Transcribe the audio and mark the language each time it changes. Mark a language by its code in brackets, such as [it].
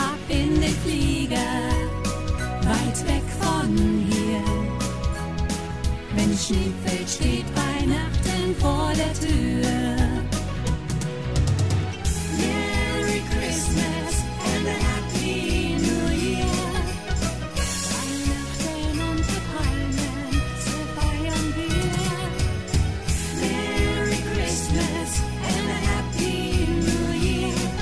[de] In den Flieger, weit weg von hier. Wenn Schnee fällt, steht Weihnachten vor der Tür. [en] Merry Christmas and a Happy New Year. [de] Weihnachten und die Palmen, so feiern wir. [en] Merry Christmas and a Happy New Year.